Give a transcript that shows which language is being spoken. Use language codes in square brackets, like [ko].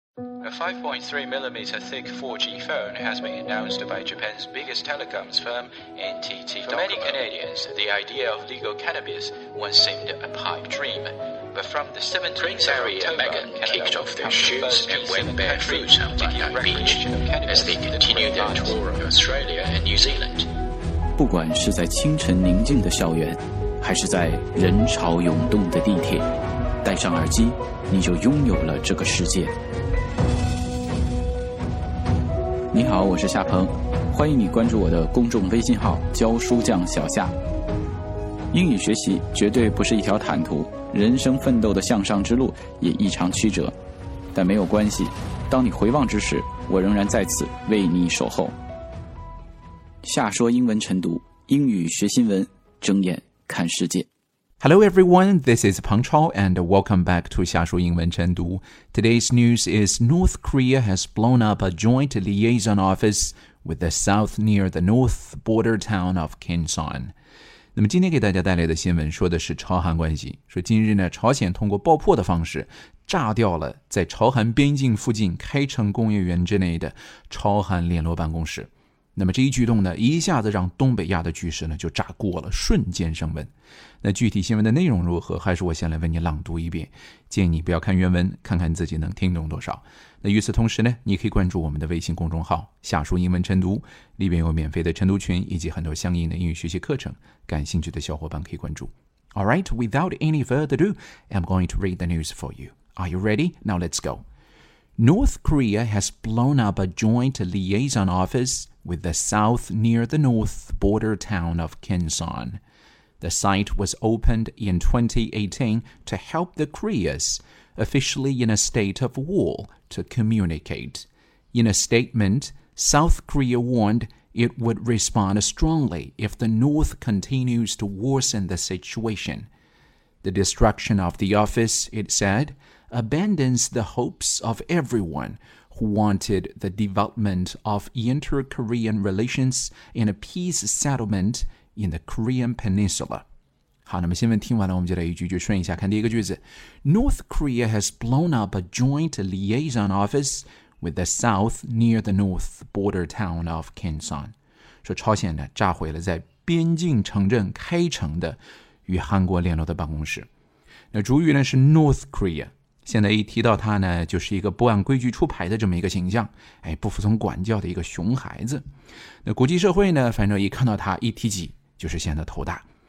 [en] A 5.3mm thick 4G phone has been announced by Japan's biggest telecoms firm, NTT Docomo. For many Canadians, the idea of legal cannabis once seemed a pipe dream. But from the 17th of October, Megan kicked off their shoes and went barefoot on Bondi Beach as they continued their tour of Australia and New Zealand. [zh] 不管是在清晨宁静的校园，还是在人潮涌动的地铁，戴上耳机，你就拥有了这个世界。你好，我是夏鹏，欢迎你关注我的公众微信号“教书匠小夏”。英语学习绝对不是一条坦途，人生奋斗的向上之路也异常曲折，但没有关系，当你回望之时，我仍然在此为你守候。夏说英文晨读，英语学新闻，睁眼看世界。 [en] Hello everyone, this is Peng Chao and welcome back to 夏说英文晨读。 Today's news is North Korea has blown up a joint liaison office with the South near the north border town of Kinsan. [zh] 那么今天给大家带来的新闻说的是朝韩关系，说今日呢，朝鲜通过爆破的方式炸掉了在朝韩边境附近开城工业园之内的朝韩联络办公室。那么这一举动呢，一下子让东北亚的局势呢就炸锅了，瞬间升温。那具体新闻的内容如何，还是我先来为你朗读一遍，建议你不要看原文，看看自己能听懂多少。那与此同时呢，你可以关注我们的微信公众号夏说英文晨读，里面有免费的晨读群以及很多相应的英语学习课程，感兴趣的小伙伴可以关注。 [en] Alright, without any further ado, I'm going to read the news for you. Are you ready? Now let's go. North Korea has blown up a joint liaison officewith the south near the north border town of Kinsan. The site was opened in 2018 to help the Koreas, officially in a state of war, to communicate. In a statement, South Korea warned it would respond strongly if the North continues to worsen the situation. The destruction of the office, it said, abandons the hopes of everyone,who wanted the development of inter-Korean relations and a peace settlement in the Korean Peninsula. [zh] 好，那么新闻听完了，我们就来一句句顺一下，看第一个句子。 [en] North Korea has blown up a joint liaison office with the South near the north border town of Kinsan. [zh] 说朝鲜呢，炸毁了在边境城镇开城的与韩国联络的办公室。那主语呢是 North Korea。现在一提到他呢，就是一个不按规矩出牌的这么一个形象，哎，不服从管教的一个熊孩子。那国际社会呢，反正一看到他一提起就是显得头大。